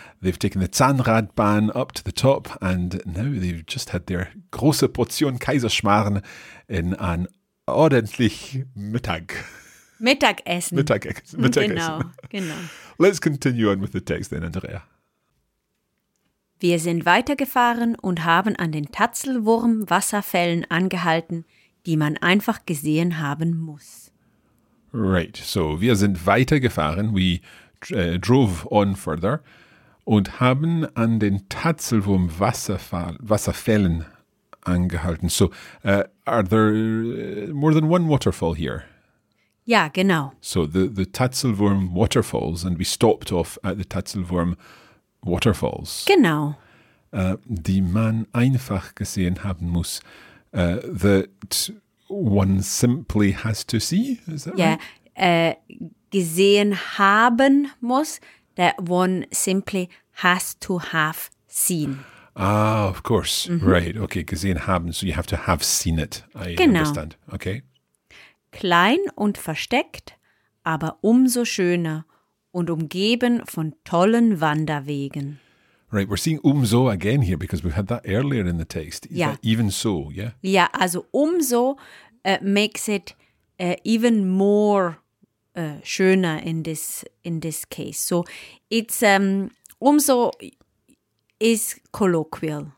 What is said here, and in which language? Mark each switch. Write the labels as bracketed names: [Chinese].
[English] They've taken the Zahnradbahn up to the top, and now they've just had their [German] große Portion [English] Kaiserschmarrn in an [German] ordentlich Mittagessen. Mittagessen. Genau. [English] Let's continue on with the text then, Andrea. [German] Wir sind weitergefahren und haben an den Tatzelwurm-Wasserfällen angehalten, die man einfach gesehen haben muss. Right, so wir sind weitergefahren, [English] we drove on further, [German] und haben an den Tatzelwurm-Wasserfällen angehalten. [English] So, are there more than one waterfall here? [German] Ja, genau. [English] So, the Tatzelwurm waterfalls, and we stopped off at the Tatzelwurm waterfalls. [German] Genau. Die man einfach gesehen haben muss. [English] That one simply has to see, is that right? Yeah. [German] Gesehen haben muss, [English] that one simply has to have seen. Ah, of course. Mm-hmm. Right. Okay. [German] Gesehen haben. [English] So you have to have seen it. I understand. Okay. [German] klein und versteckt, aber umso schöner und umgeben von tollen Wanderwegen. [English] Right, we're seeing umso again here because we've had that earlier in the text. Yeah. Even so, yeah? Yeah, also umso makes it even more schöner in this case. So it's umso is colloquial.